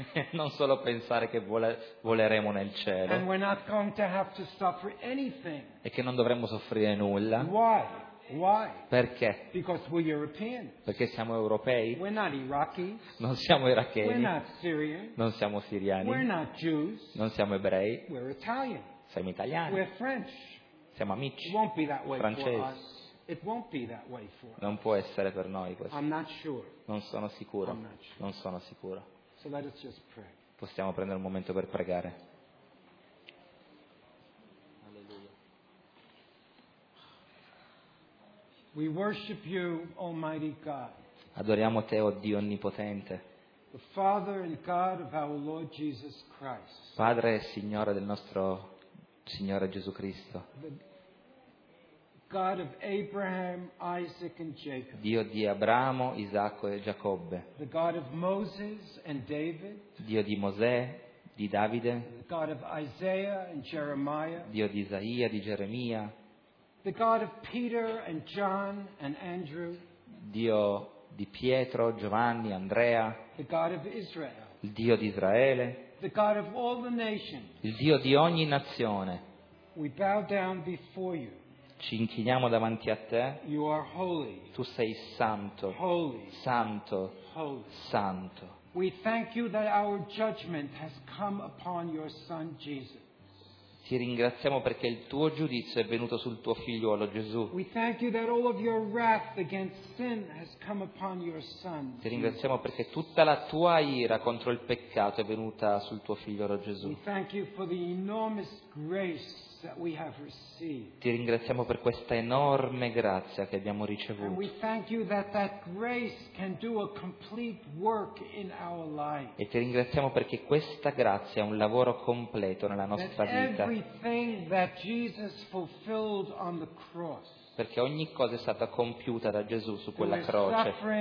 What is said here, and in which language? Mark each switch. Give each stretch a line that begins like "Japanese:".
Italian: Non solo pensare che voleremo nel cielo.
English: And we're not going to have to suffer anything.
Italian: E che non dovremmo soffrire nulla.
English: Why? Why?
Italian: Perché?
English: Because we're Europeans.
Italian: Perché siamo europei.
English: We're not Iraqis.
Italian: Non siamo iracheni.
English: We're not Syrian.
Italian: Non siamo siriani.
English: We're not Jews.
Italian: Non siamo ebrei.
English: We're Italian.
Italian: Siamo italiani.
English: We're French.
Italian: Siamo amici.
English: It won't be that way
Italian: francesi.
English: For us. It won't be that way for us.
Italian: Non può essere per noi questo.
English: I'm not sure.
Italian: Non sono sicuro.
English: I'm not sure.
Italian: Non sono sicuro.
English: So let us just pray.
Italian: Possiamo prendere un momento per pregare. Alleluia.
English: We worship you, Almighty God.
Italian: Adoriamo te, o Dio onnipotente.
English: The Father and God of our Lord Jesus Christ.
Italian: Padre e Signore del nostro Signore Gesù Cristo.
English: God of Abraham, Isaac and Jacob.
Italian: Dio di Abramo, Isacco e Giacobbe.
English: The God of Moses and David.
Italian: Dio di Mosè, di Davide.
English: The God of Isaiah and Jeremiah.
Italian: Dio di Isaia, di Geremia.
English: The God of Peter and John and Andrew.
Italian: Dio di Pietro, Giovanni, Andrea.
English: The God of Israel.
Italian: Il Dio di Israele.
English: The God of all the nations.
Italian: Il Dio di ogni nazione.
English: We bow down before you.
Italian: Ci inchiniamo davanti a te.
English: You are holy.
Italian: Tu sei santo.
English: Holy.
Italian: Santo.
English: Holy.
Italian: Santo.
English: We thank you that our judgment has come upon your son Jesus.
Italian: Ti ringraziamo perché il tuo giudizio è venuto sul tuo figliuolo Gesù.
English: We thank you that all of your wrath against sin has come upon your son.
Italian: Ti ringraziamo perché tutta la tua ira contro il peccato è venuta sul tuo figliuolo Gesù.
English: We thank you for the enormous grace that we have received.
Italian: Ti ringraziamo per questa enorme grazia che abbiamo ricevuto.
English: And we thank you that that grace can do a complete work in our life.
Italian: E ti ringraziamo perché questa grazia è un lavoro completo nella nostra vita.
English: Everything that Jesus fulfilled on the cross.
Italian: Perché ogni cosa è stata compiuta da Gesù su quella croce.